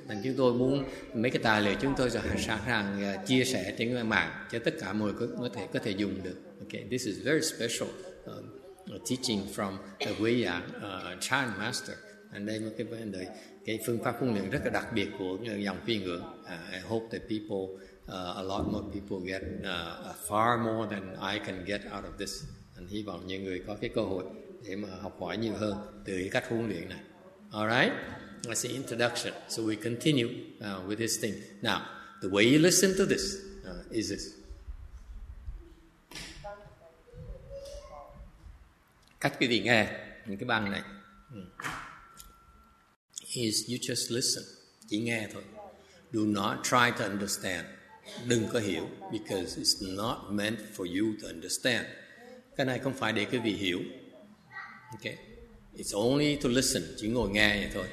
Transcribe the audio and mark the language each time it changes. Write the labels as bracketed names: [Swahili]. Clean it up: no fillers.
[Vietnamese] Và chúng tôi muốn mấy cái tài liệu chúng tôi sẽ sẵn sàng chia sẻ trên mạng cho tất cả mọi người có thể dùng được. [English] Okay, this is very special teaching from the Guiyang Chan Master, and [Vietnamese] đây một cái vấn đề cái phương pháp huấn luyện rất là đặc biệt của dòng Phi Ngựa. [English] I hope that people a lot more people get far more than I can get out of this. [Vietnamese] And hy vọng nhiều người có cái cơ hội để mà học hỏi nhiều hơn từ cái cách huấn luyện này. [English] All right? That's the introduction. So we continue with this thing. Now, the way you listen to this is this. [Vietnamese] Cách cái gì nghe, những cái băng này. [English] Is you just listen. [Vietnamese] Chỉ nghe thôi. [English] Do not try to understand. [Vietnamese] Đừng có hiểu, [English] because it's not meant for you to understand. [Vietnamese] Cái này không phải để quý vị hiểu. Okay. [English] It's only to listen, [Vietnamese] chỉ ngồi nghe vậy thôi.